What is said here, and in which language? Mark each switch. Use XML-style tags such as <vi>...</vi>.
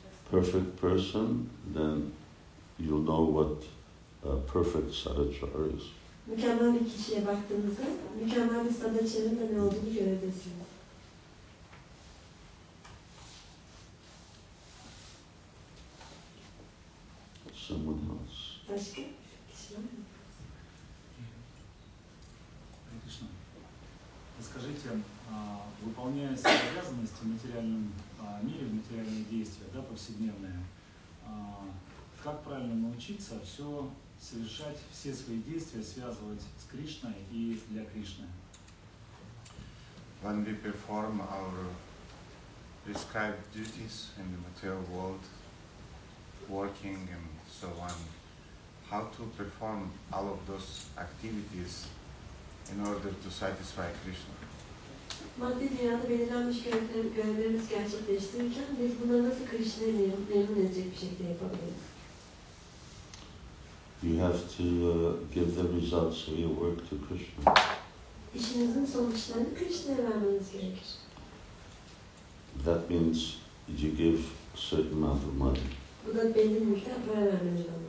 <en>Perfect person, then you'll know what a perfect sadachar is.</en> <tr>Mükemmel bir kişiye baktığınızda, mükemmel bir sadachar'ın da ne olduğunu görebilirsiniz.</tr> <en>Someone else.</en> <tr>Başka bir kişi var mı?</tr> <ru>Скажите, выполняя свои обязанности в материальном мире, в материальные действия, да, повседневные, как правильно научиться все совершать все свои действия, связывать с Кришной и для Кришны.</ru> <en>When we perform our prescribed duties in the material world, working and so on, how to perform all of those activities in order to satisfy Krishna.</en> <tr>Maddi dünyada belirlenmiş görevlerimiz gerçekleştirirken biz buna nasıl Krishna'yı memnun edecek bir şekilde yapabiliriz?</tr> <en>You have to give the results of your work to Krishna.</en> <tr>İşinizin sonuçlarını Krishna'ya vermeniz gerekir.</tr> <en>That means you give a certain amount of money.</en> <tr>Bu da belli bir miktar para vermeniz gerekiyor.</tr>